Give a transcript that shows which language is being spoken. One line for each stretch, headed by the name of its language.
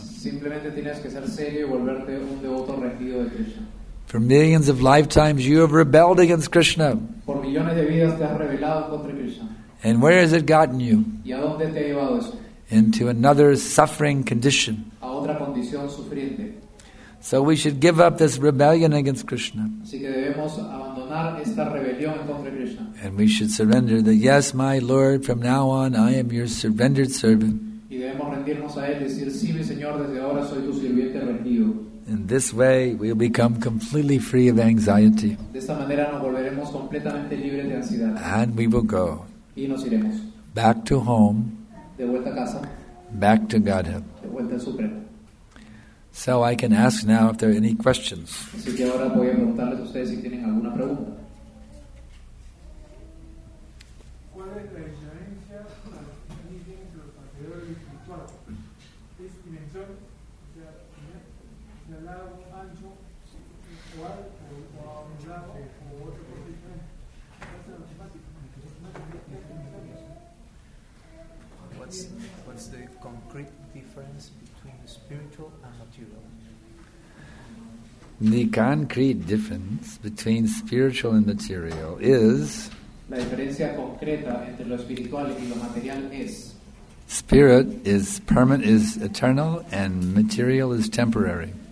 Spanish: Simplemente tienes que ser serio y volverte un devoto rendido de Krishna.
English: For millions of lifetimes you have rebelled against Krishna.
Spanish: Por millones de vidas te has rebelado contra Krishna.
English: And where has it gotten you?
Spanish: ¿Y a dónde te ha llevado eso?
English: Into another suffering condition.
Spanish: A otra condición sufriente.
English: So we should give up this rebellion against Krishna.
Spanish: Así que debemos abandonar esta rebelión contra Krishna.
English: And we should surrender that, yes, my Lord, from now on I am your surrendered servant.
Spanish: Y debemos rendirnos a él, decir, sí, mi Señor, desde ahora soy tu sirviente rendido.
English: In this way we will become completely free of anxiety.
Spanish: De esta manera nos volveremos completamente libres de ansiedad.
English: And we will go.
Spanish: Y nos iremos.
English: Back to home.
Spanish: De vuelta a casa.
English: Back to Godhead.
Spanish: De vuelta al Supremo.
English: So I can ask now if there are any questions.
Spanish: Así que ahora voy a preguntarles a ustedes si tienen alguna pregunta. ¿Cuál es la diferencia entre la diferencia entre los anteriores y los actuales? ¿Es dimensión de lado ancho igual o a un lado o otro por diferente?
English: What's the concrete difference between the spiritual and material? The concrete difference between spiritual and material is
Spanish: la diferencia concreta entre lo espiritual y lo material es
English: spirit is permanent, is eternal, and material is temporary.